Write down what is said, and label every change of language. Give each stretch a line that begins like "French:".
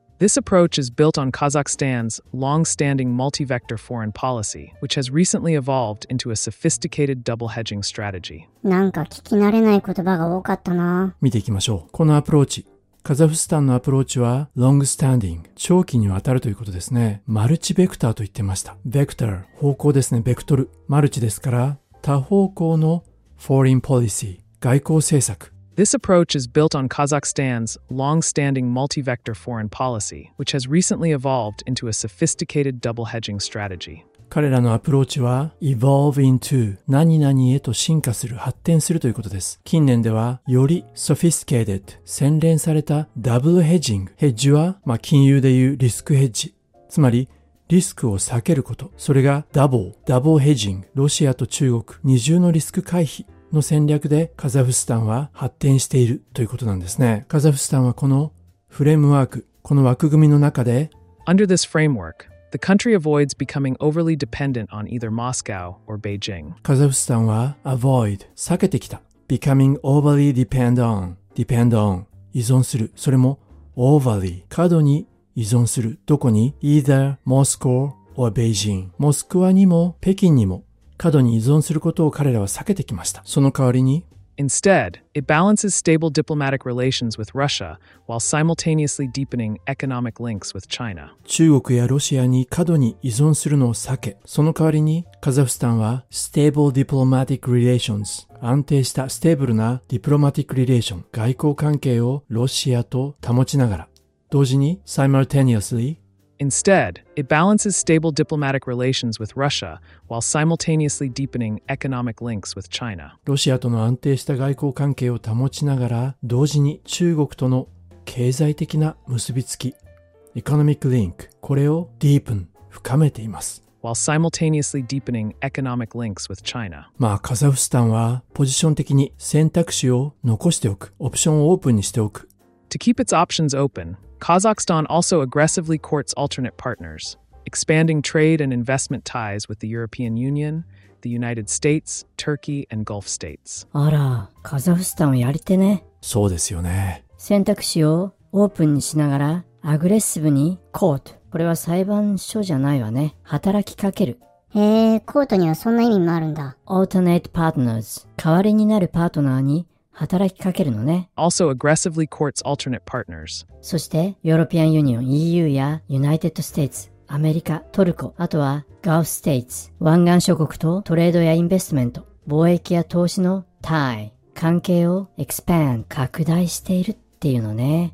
English: This approach is built on Kazakhstan's long-standing multi-vector foreign policy, which has recently evolved into a sophisticated double-hedging strategy.
Japanese: なんか聞き慣れない言葉が多かったな。見ていきましょう。このアプローチ。カザフスタンのアプローチは long-standing 長期にわたるということですね。マルチベクターと言ってました。ベクター、方向ですね。ベクトル。マルチですから、多方向の foreign policy、外交政策。
English: This approach is built on Kazakhstan's long-standing multi-vector foreign policy, which has recently evolved into a sophisticated double-hedging strategy.
Japanese: 彼らのアプローチは
English: evolve into
Japanese: 何々へと進化する、発展するということです。近年ではより sophisticated、洗練された double-hedging。 hedge は、まあ、金融でいうリスクヘッジ。つまり、リスクを避けること。それが double-hedging。ロシアと中国、二重のリスク回避。の戦略でカザフスタンは発展しているということなんですね。カザフスタンはこのフレームワーク、この枠組みの中で
English: Under this framework, the country avoids becoming overly dependent on either Moscow or Beijing.
Japanese: カザフスタンは avoid、避けてきた。
English: becoming overly dependent on、 depend on、
Japanese: 依存する。それも overly、過度に依存する。どこに
English: Either Moscow or Beijing。
Japanese: モスクワにも北京にも過度に依存することを彼らは避けてきました。その代わりに
English: Instead, it balances stable diplomatic relations with Russia while simultaneously deepening economic links with China.
Japanese: 中国やロシアに過度に依存するのを避け、その代わりにカザフスタンは
English: stable diplomatic relations、
Japanese: 安定したステーブルな
English: diplomatic relation、
Japanese: 外交関係をロシアと保ちながら、同時に simultaneously、
English: Instead, it balances stable diplomatic relations with Russia while simultaneously deepening economic links with China.
Japanese: ロシアとの安定した外交関係を保ちながら、同時に中国との経済的な結びつき、economic link、これをディープン、深めています。
English: While simultaneously deepening economic links with China.
Japanese: まあ、カザフスタンはポジション的に選択肢を残しておく、オプションをオープンにしておく。
English: To keep its options open,Kazakhstan also aggressively courts alternate partners, expanding trade and investment ties with the European Union, the United States, Turkey, and Gulf states.
Japanese: あら、カザフスタンをやりてね。そうですよね。選択肢をオープンにしながら、アグレッシブにコート。これは裁判所じゃないわね。働きかける。へえ、コートにはそんな意味もあるんだ。
English: Alternate partners。
Japanese: 代わりになるパートナーに、働きかけるのね。
English: Also aggressively courts alternate partners.
Japanese: そして、ヨーロピアンユニオン、EU や、ユナイテッドステーツ、アメリカ、トルコ、あとは、ガルフステーツ、湾岸諸国とトレードやインベストメント、貿易や投資のタイ、関係を expand、拡大しているっていうのね。